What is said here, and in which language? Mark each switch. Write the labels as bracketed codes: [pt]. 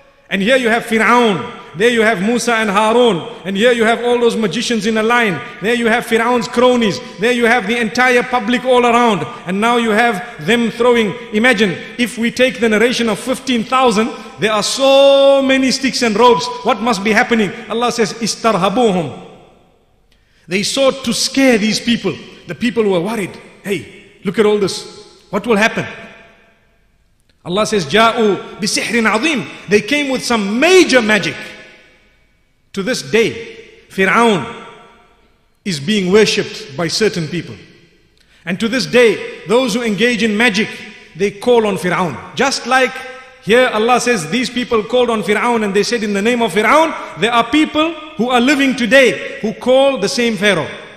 [en] And here you have Fir'aun, there you have Musa and Haroon, and here you have all those magicians in a line, there you have Fir'aun's cronies, there you have the entire public all around, and now you have them throwing. Imagine if we take the narration of 15,000, there are so many sticks and ropes, what must be happening? Allah says, istarhabuhum. They sought to scare these people. The people were worried. Hey, look at all this. What will happen? Allah says, [ar] جَاءُوا بِسِحْرٍ عَظِيمٍ. [en] They came with some major magic. To this day, Fir'aun is being worshipped by certain people. And to this day, those who engage in magic, they call on Fir'aun. Just like here Allah says, these people called on Fir'aun and they said in the name of Fir'aun, there are people who are living today who call the same Pharaoh.